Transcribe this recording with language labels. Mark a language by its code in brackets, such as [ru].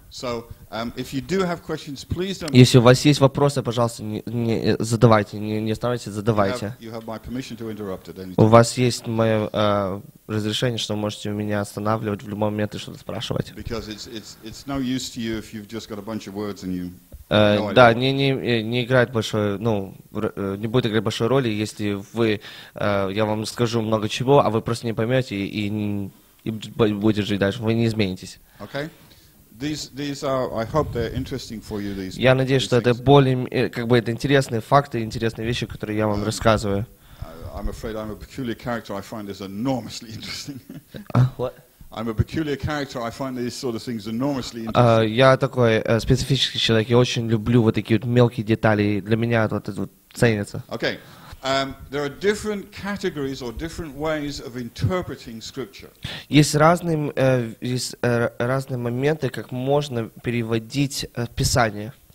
[en] So, if you do have questions, please don't. [ru] Если у вас есть вопросы, пожалуйста, не задавайте, не оставайтесь, задавайте. [en] You have my permission to interrupt at any time. [ru] У вас есть мое разрешение, что можете меня останавливать в любой момент и что-то спрашивать. [en] Because it's no use to you if you've just got a bunch of words and you. [ru] Да, не играет большой, не будет играть большой роли, если вы, я вам скажу много чего, а вы просто не поймете и будете жить дальше, вы не изменитесь. [en] Okay. These are, I hope they're interesting for you, these. [ru] Я надеюсь, что это более, как бы, это интересные факты, интересные вещи, которые я вам рассказываю. [en] I'm afraid I'm a peculiar character. I find this enormously interesting. What? I'm a peculiar character. I find these sort of things enormously interesting. [ru] Я такой специфический человек. Я очень люблю вот такие вот мелкие детали. Для меня вот ценится. [en] Okay. There are different categories or different ways of interpreting scripture. [ru] Есть разные моменты, как можно переводить Писание.